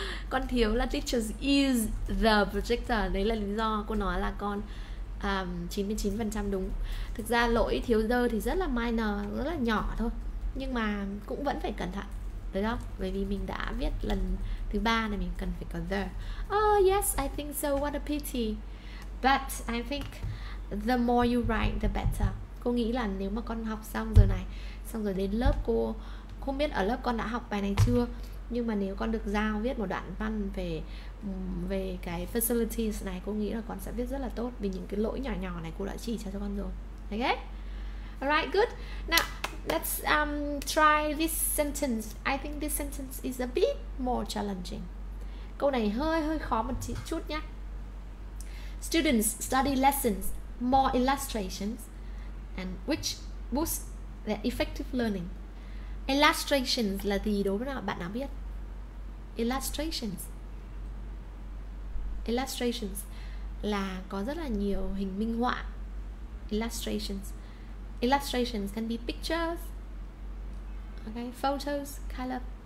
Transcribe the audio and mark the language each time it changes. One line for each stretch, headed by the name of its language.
Vietnamese: Con thiếu là
English: teachers use the projector.
Vietnamese: Đấy là lý do cô nói là con 99% đúng. Thực ra lỗi thiếu the thì rất là minor, rất là nhỏ thôi, nhưng mà cũng vẫn phải cẩn thận, đúng không? Bởi vì mình đã viết lần thứ ba này mình cần phải có the.
English: Oh yes, I think so. What a pity. But I think the more you write, the better.
Vietnamese: Cô nghĩ là nếu mà con học xong giờ này, xong rồi đến lớp cô, không biết ở lớp con đã học bài này chưa, nhưng mà nếu con được giao viết một đoạn văn về về cái facilities này, cô nghĩ là con sẽ viết rất là tốt vì những cái lỗi nhỏ nhỏ này cô đã chỉ cho con rồi.
English: Okay? Alright, good. Now, let's try this sentence. I think this sentence is a bit more challenging.
Vietnamese: Câu này hơi hơi khó một chút nhé.
English: Students study lessons, more illustrations, and which boosts their effective learning.
Vietnamese: Illustrations là gì đối với nào? Bạn nào biết? Illustrations. Illustrations là có rất là nhiều hình minh họa. Illustrations.
English: Illustrations can be pictures. Okay, photos, color.